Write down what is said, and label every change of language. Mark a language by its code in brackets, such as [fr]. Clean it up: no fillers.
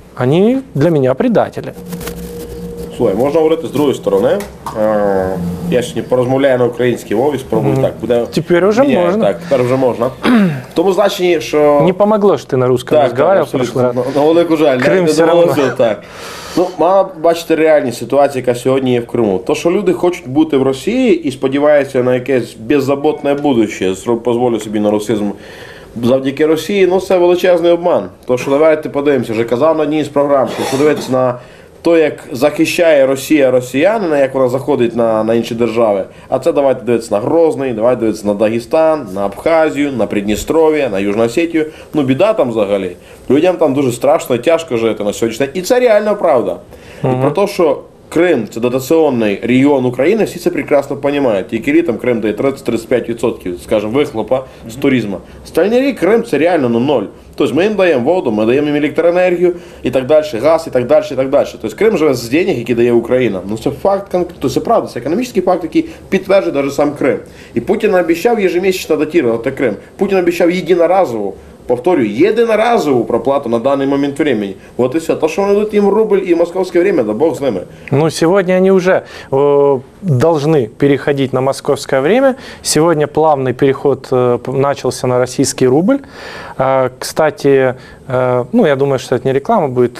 [ru] Они для меня предатели. Слушай, можно говорить с другой стороны. [uk] Я ж не поразмовляю на украинский мове, спробую так. [ru] Теперь уже меняю, можно. Так, теперь уже можно. В том значении, что... Не помогло, что ты на русском так, разговаривал в прошлый раз. [uk] На великий жаль. [ru] Крым все равно. Все, так. [uk] Ну, мало бачити реальні ситуації, яка сьогодні є в Криму. То, що люди хочуть бути в Росії і сподіваються на якесь [ru] беззаботне будущее, [uk] дозволю собі на русизм завдяки Росії, ну це величезний обман. То, що давайте подивимося, вже казав на одній з програм, що дивитися на то, як захищає Росія росіянина, як вона заходить на інші держави. А це давайте дивитися на Грозний, давайте дивитися на Дагестан, на Абхазію, на Придністров'я, на Южну Осетію. Ну біда там взагалі. Людям там дуже страшно, тяжко жити на сьогодні. І це реальна правда. І про те, що Крим – це дотаційний регіон України, всі це прекрасно розуміють. Тільки там Крим дає 30-35%, скажімо, вихлопа з туризму. Остальний рік Крим – це реально ну, ноль. Тобто ми їм даємо воду, ми даємо їм електроенергію і так далі, газ і так далі, і так далі. Тобто Крим живе з денег, які дає Україна. Ну це факт, то це правда, це економічний факт, який підтверджує навіть сам Крим. І Путін обіцяв ежемесячно датувати Крим. Путін обіцяв єдиноразово. Повторю, єдиноразову проплату на даний момент времени. [ru] Вот и все. То, что они дадут им рубль и московское время, да бог с ними. Ну, сегодня они уже должны переходить на московское время. Сегодня плавный переход начался на российский рубль. Кстати, ну, я думаю, что это не реклама будет.